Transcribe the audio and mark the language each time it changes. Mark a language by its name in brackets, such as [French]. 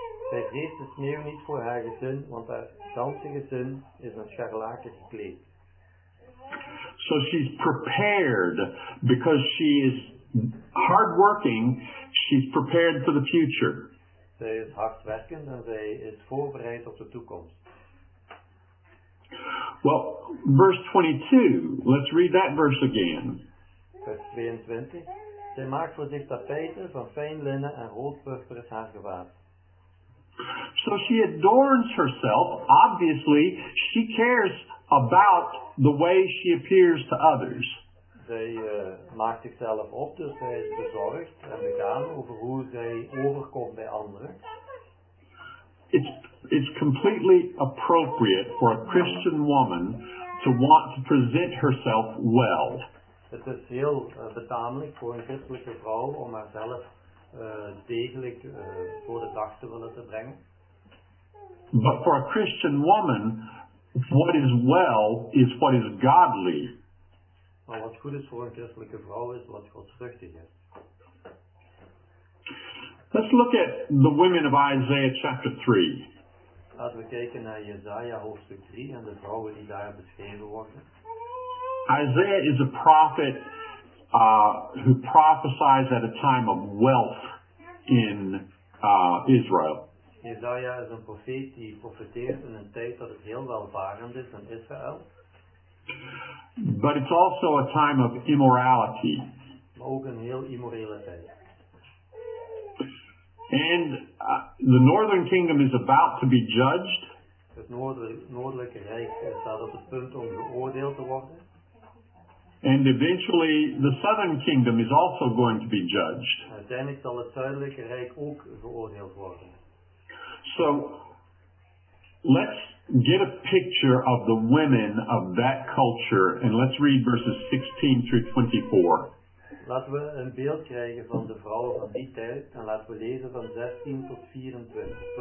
[Dutch] Zij vreest de sneeuw niet voor haar gezin, want haar ganse gezin is een scharlaken gekleed. [English] So she's prepared because she is hardworking, she's prepared for the future. [Dutch] Zij is hardwerkend en zij is voorbereid op de toekomst. [English] Well, verse 22, let's read that verse again. [Dutch] Vers 22. Zij maakt voor zich tapijten van fijn linnen en roodpurper is haar gewaad. [English] So she adorns herself. Obviously, she cares about the way she appears to others. [Dutch] Zij maakt zichzelf op, dus zij is bezorgd en begaan over hoe zij overkomt bij anderen. [English] It's completely appropriate for a Christian woman to want to present herself well. [Dutch] Het is heel betamelijk voor een christelijke vrouw om haarzelf degelijk voor de dag te willen te brengen. [English] But for a Christian woman, what is well is what is godly. [Dutch] Maar wat goed is voor een christelijke vrouw is wat godsvruchtig is. [English] Let's look at the women of Isaiah chapter 3. [Dutch] Laten we kijken naar Jesaja hoofdstuk 3 en de vrouwen die daar beschreven worden. [English] Isaiah is a prophet who prophesies at a time of wealth in Israel. [Dutch] Jesaja is een profeet die profeteert in een tijd dat het heel welvarend is in Israël. [English] But it's also a time of immorality. [Dutch] Maar ook een heel immorele tijd. [English] And the northern kingdom is about to be judged. [Dutch] Het noordelijke rijk staat op het punt om geoordeeld te worden. [English] And eventually the southern kingdom is also going to be judged. [Dutch] Uiteindelijk zal het zuidelijke rijk ook geoordeeld worden. [English] So let's get a picture of the women of that culture and let's read verses 16 through 24. [Dutch] Laten we een beeld krijgen van de vrouwen van die tijd en laten we lezen van 16 tot 24.